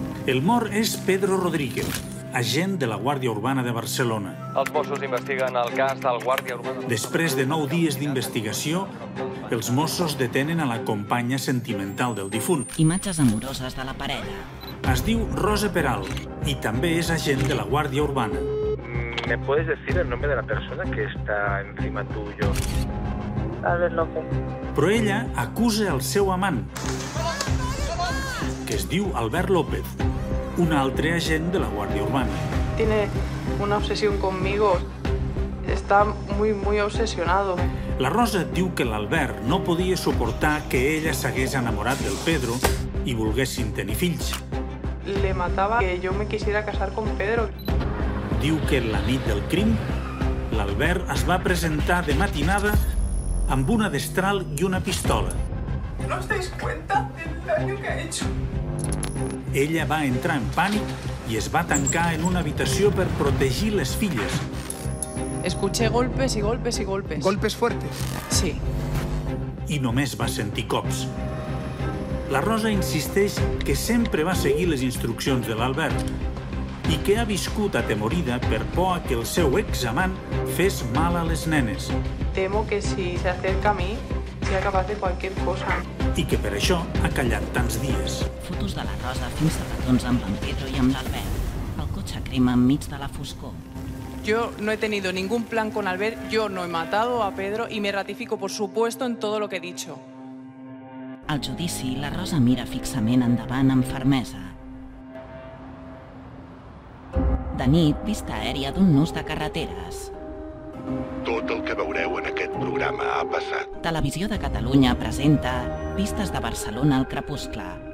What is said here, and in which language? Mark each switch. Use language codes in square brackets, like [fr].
[ca] El mort és Pedro Rodríguez, agent de la Guàrdia Urbana de Barcelona. Els Mossos investiguen el cas del Guàrdia Urbana. Després de 9 dies d'investigació, els Mossos detenen a la companya sentimental del difunt. Imatges amoroses de la parella. Es diu Rosa Peral i també és agent de la Guàrdia Urbana. [es] ¿Me puedes decir el nombre de la persona que está encima tuyo? A ver, no sé. [ca] Però ella acusa el seu amant, que es diu Albert López, un altre agent de la Guàrdia Urbana. [es] Tiene una obsesión conmigo. Está muy, muy obsesionado. [ca] La Rosa diu que l'Albert no podia suportar que ella s'hagués enamorat del Pedro i volguessin tenir fills. [es] Le mataba que yo me quisiera casar con Pedro. [ca] Diu que la nit del crim, l'Albert es va presentar de matinada amb una destral i una pistola. [es] ¿No os dais cuenta del daño que ha hecho? [ca] Ella va entrar en pànic i es va tancar en una habitació per protegir les filles. [es] Escuché golpes y golpes y golpes. ¿Golpes fuertes? Sí. [ca] I només va sentir cops. La Rosa insisteix que sempre va seguir les instruccions de l'Albert i que ha viscut atemorida per por a que el seu examant fes mal a les nenes. [es] Temo que si se acerca a mi, sea capaz de cualquier cosa. [ca] I que per això ha callat tants dies. Fotos de la Rosa fins a petons amb en Pedro i amb l'Albert. El cotxe crema enmig de la foscor. [es] Yo no he tenido ningún plan con Albert, yo no he matado a Pedro y me ratifico, por supuesto, en todo lo que he dicho. [ca] Al judici, la Rosa mira fixament endavant amb fermesa. De nit, vista aèria d'un nus de carreteres. Tot el que veureu en aquest programa ha passat. Televisió de Catalunya presenta Vistes de Barcelona al crepuscle.